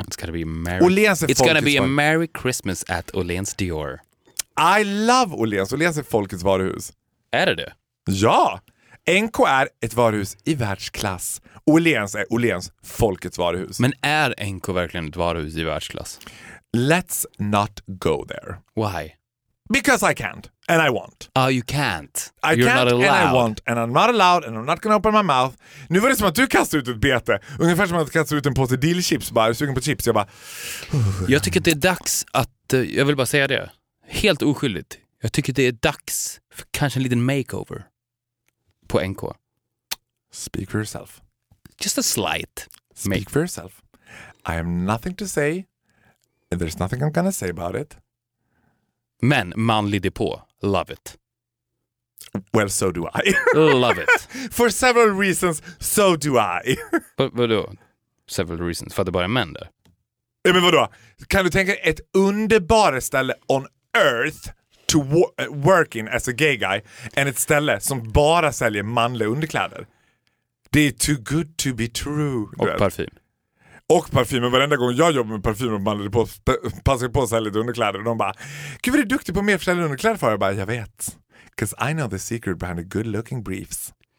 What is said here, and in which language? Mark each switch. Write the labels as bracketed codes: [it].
[en] It's gonna be, a merry Christmas at Åhléns Dior. I love Åhléns. [sv] Åhléns är folkets varuhus. Är det det? Ja! NK är ett varuhus i världsklass. Åhléns är Åhléns folkets varuhus. Men är NK verkligen ett varuhus i världsklass? [en] Let's not go there. Why? Because I can't and I won't. Oh, you can't. I You're can't not allowed. And I won't and I'm not allowed and I'm not gonna open my mouth. [sv] Nu var det som att du kastade ut ett bete. Ungefär som att du kastade ut en påse dillchips. Bara, sugen på chips. Jag bara... Jag tycker att det är dags att... Jag vill bara säga det. Helt oskyldigt. Jag tycker att det är dags för kanske en liten makeover på NK. [en] Speak for yourself. Just a slight. Speak for yourself. I have nothing to say. And there's nothing I'm gonna say about it. [sv] Men manlig depå. [en] Love it. Well, so do I. Love it. For several reasons, so do I. [sv] Vadå? [en] several reasons. [sv] För att det bara är män där. Ja, men vadå? Kan du tänka ett underbart ställe [en] on earth to work in as a gay guy än [sv] ett ställe som bara säljer manliga underkläder? Det är [en] too good to be true. [sv] Och vet. Parfym. Och parfym. Men varenda gång jag jobbar med parfym och manliga på, passar på att sälja lite underkläder. Och de bara, gud vad du är duktig på mer försäljande underkläder för. Jag bara, jag vet. [en] Because I know the secret behind a good looking briefs.